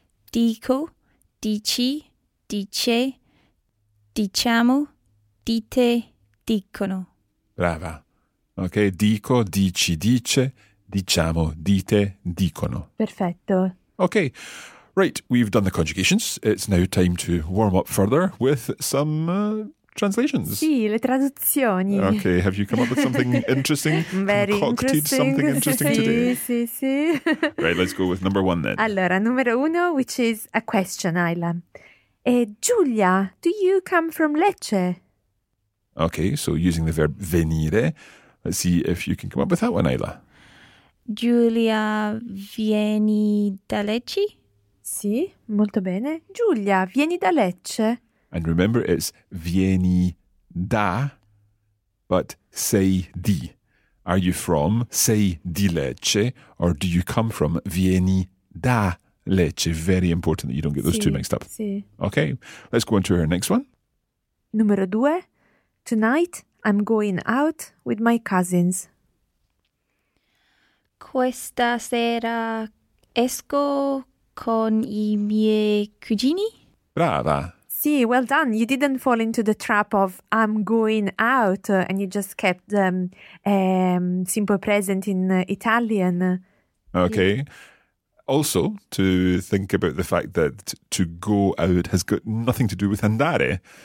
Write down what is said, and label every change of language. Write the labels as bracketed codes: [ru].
[it] Dico, dici, dice, diciamo, dite, dicono. Brava. Okay, dico, dici, dice, diciamo, dite, dicono. Perfetto. [en] Okay, right, we've done the conjugations. It's now time to warm up further with some translations. [it] Sì, le traduzioni. [en] Okay, have you come up with something interesting? Very concocted interesting. Something interesting [it] sì, [en] today? [it] Sì, sì, sì. [en] Right, let's go with number one then. [it] Allora, numero uno, [en] which is a question, Ayla. E Giulia, do you come from Lecce? Okay, so using the verb venire... Let's see if you can come up with that one, Ayla. [it] Giulia, vieni da Lecce? Sì, molto bene. Giulia, vieni da Lecce? [en] And remember, it's vieni da, but sei di. Are you from, [it] sei di Lecce, [en] or do you come from, [it] vieni da Lecce? [en] Very important that you don't get those [it] sì, [en] two mixed up. [it] Sì. [en] Okay, let's go on to our next one. [it] Numero due, [en] tonight... I'm going out with my cousins. [it] Questa sera esco con i miei cugini. Brava. [en] Sì, well done. You didn't fall into the trap of I'm going out and you just kept simple present in Italian. Okay. Yeah. Also, to think about the fact that to go out has got nothing to do with andare.